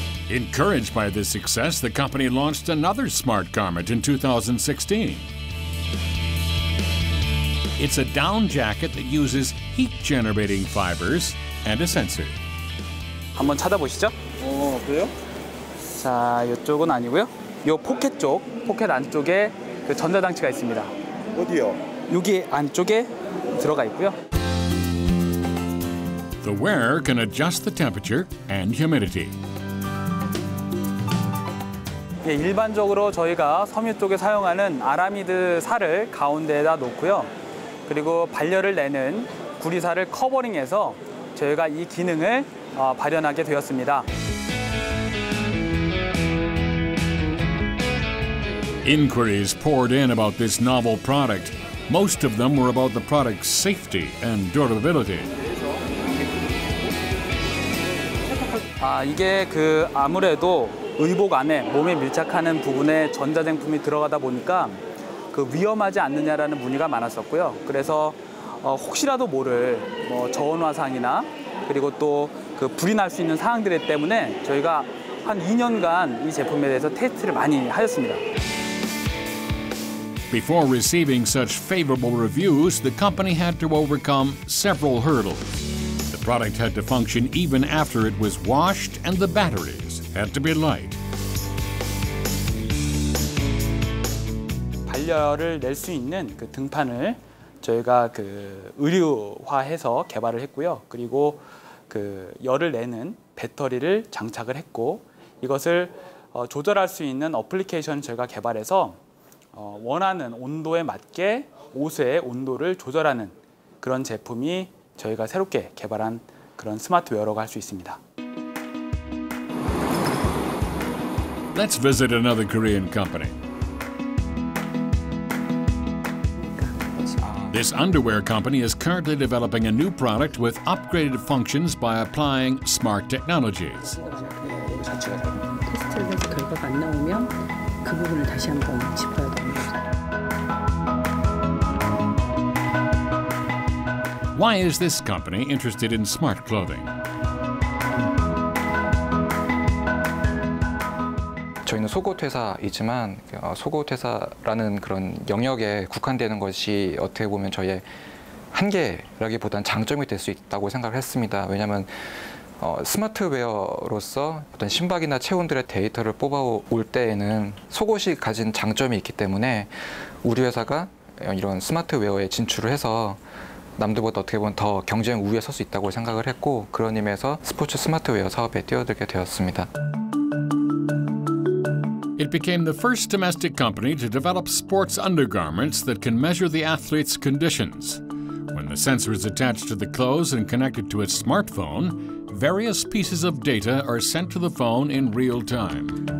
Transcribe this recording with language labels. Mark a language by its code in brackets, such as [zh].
[en] Encouraged by this success, the company launched another smart garment in 2016. It's a down jacket that uses heat-generating fibers and a sensor. [ko] 한번 찾아보시죠. 그래요? 자, 이쪽은 아니고요. 이 포켓 쪽, 포켓 안쪽에 그 전자장치가 있습니다. 어디요? 여기 안쪽에 들어가 있고요. [en] The wearer can adjust the temperature and humidity. [ko] 예, 일반적으로 저희가 섬유 쪽에 사용하는 아라미드 살을 가운데에다 놓고요. 그리고 발열을 내는 구리살을 커버링해서 저희가 이 기능을 발현하게 되었습니다. [en] Inquiries poured in about this novel product. Most of them were about the product's safety and durability. [ko] 아, 이게 그 아무래도 의복 안에 몸에 밀착하는 부분에 전자제품이 들어가다 보니까 그 위험하지 않느냐라는 문의가 많았었고요. 그래서 혹시라도 모를 뭐 저온화상이나 그리고 또 그 불이 날 수 있는 상황들 때문에 저희가 한 2년간 이 제품에 대해서 테스트를 많이 하였습니다. [en] Before receiving such favorable reviews, the company had to overcome several hurdles. The product had to function even after it was washed, and the batteries had to be light. [ko] 발열을 낼 수 있는 그 등판을 저희가 그 의류화해서 개발을 했고요. 그리고 그 열을 내는 배터리를 장착을 했고 이것을 조절할 수 있는 어플리케이션을 저희가 개발해서 원하는 온도에 맞게 옷의 온도를 조절하는 그런 제품이 저희가 새롭게 개발한 그런 스마트웨어라고 할 수 있습니다. [en] Let's visit another Korean company. This underwear company is currently developing a new product with upgraded functions by applying smart technologies. [ko] 테스트해서 결과가 안 나오면 그 부분을 다시 한번 짚어야 됩니다. [en] Why is this company interested in smart clothing? [ko] 저희는 속옷 회사이지만 속옷 회사라는 그런 영역에 국한되는 것이 어떻게 보면 저희의 한계라기보단 장점이 될 수 있다고 생각을 했습니다. 왜냐하면 스마트웨어로서 어떤 신박이나 체온들의 데이터를 뽑아올 때에는 속옷이 가진 장점이 있기 때문에 우리 회사가 이런 스마트웨어에 진출을 해서 남들보다 어떻게 보면 더 경쟁 우위에 설 수 있다고 생각을 했고 그런 의미에서 스포츠 스마트웨어 사업에 뛰어들게 되었습니다. [en] It became the first domestic company to develop sports undergarments that can measure the athlete's conditions. When the sensor is attached to the clothes and connected to its smartphone, various pieces of data are sent to the phone in real time.